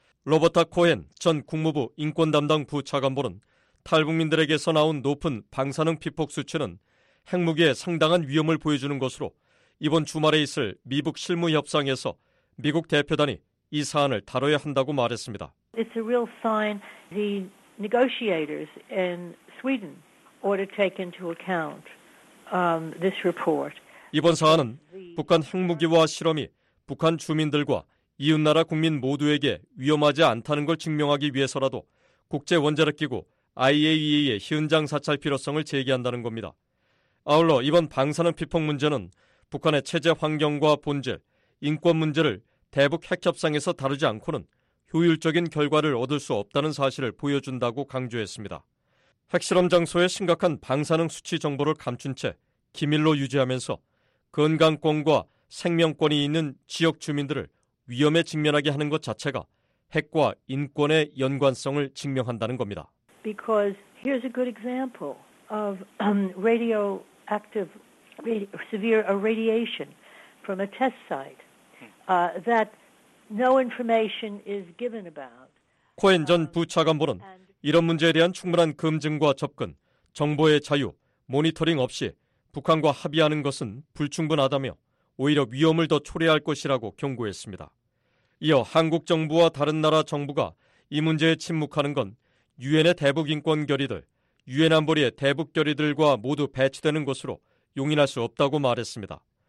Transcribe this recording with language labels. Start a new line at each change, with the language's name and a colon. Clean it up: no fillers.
Korean: 로버타 코헨 전 국무부 인권담당 부차관보는 탈북민들에게서 나온 높은 방사능 피폭 수치는 핵무기에 상당한 위험을 보여주는 것으로 이번 주말에 있을 미북 실무 협상에서 미국 대표단이 이 사안을 다뤄야 한다고 말했습니다.
English: It's a real sign the negotiators in Sweden ought to take into account this report.
Korean: 이번 사안은 북한 핵무기와 실험이 북한 주민들과 이웃나라 국민 모두에게 위험하지 않다는 걸 증명하기 위해서라도 국제원자력기구 IAEA의 현장 사찰 필요성을 제기한다는 겁니다. 아울러 이번 방사능 피폭 문제는 북한의 체제 환경과 본질, 인권 문제를 대북 핵협상에서 다루지 않고는 효율적인 결과를 얻을 수 없다는 사실을 보여준다고 강조했습니다. 핵실험 장소의 심각한 방사능 수치 정보를 감춘 채 기밀로 유지하면서 건강권과 생명권이 있는 지역 주민들을 위험에 직면하게 하는 것 자체가 핵과 인권의 연관성을 증명한다는 겁니다.
English: Because here's a good example of radioactive, severe irradiation from a test site that no information is given about.
Korean: 코헨 전 부차관보는 이런 문제에 대한 충분한 검증과 접근, 정보의 자유, 모니터링 없이 북한과 합의하는 것은 불충분하다며 오히려 위험을 더 초래할 것이라고 경고했습니다. 이어 한국 정부와 다른 나라 정부가 이 문제에 침묵하는 건 유엔의 대북인권결의들, 유엔 안보리의 대북결의들과 모두 배치되는 것으로 용인할 수 없다고 말했습니다.